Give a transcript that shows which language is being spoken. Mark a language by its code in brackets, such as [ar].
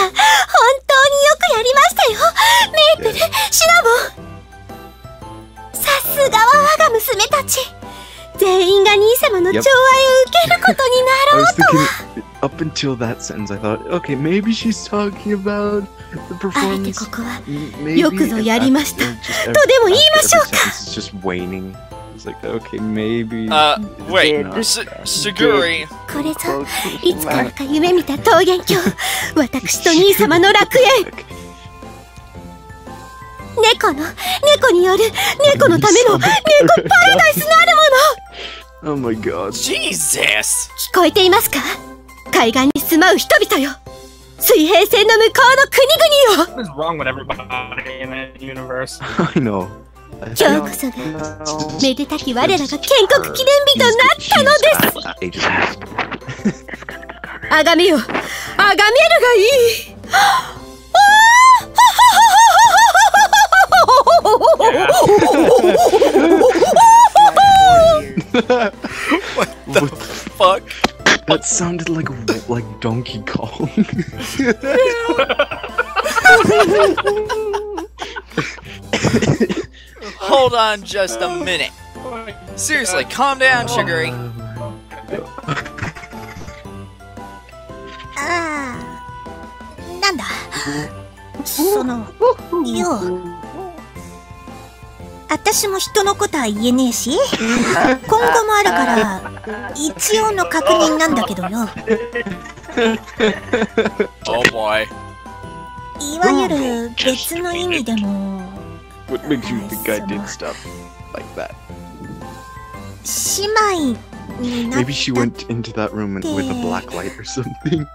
[ja] 本当によくやりましたよ。メイプル、シナボン。さすがは我が娘たち。全員が兄様の寵愛を受けることになろうとは。 [en] Up until that sentence, I thought, okay, maybe she's talking about the performance. [ja] ここよくぞやりました。とでも言いましょうか。 [en] It's just waning. It's like, okay, maybe. Shigure. [ja] これぞ、いつからか夢見た桃源郷。私と兄様の楽園。猫による猫のための猫パラダイスなるもの。 [en] Oh my god. Jesus! [ja] 聞こえていますか?海岸に住まう人々よ! 水平線の向こうの国々よ! [en] What is wrong with everybody in the universe? I know. [ja] 今日こそが、めでたき我らが建国記念日となったのです! あがみよ、あがめるがいい! [en] What the fuck? That sounded like Donkey Kong. Hold on just a minute. Seriously, calm down, Shigure. [ja] Nanda. Sono. Yo. 私も人のことは言えねえし、今後もあるから一応の確認なんだけどよ。 [en] Oh boy. [ja] いわゆる別の意味でも。 [en] What makes you think I did stuff like that? [ja] 姉妹になったって。 [en] Maybe she went into that room with a black light or something.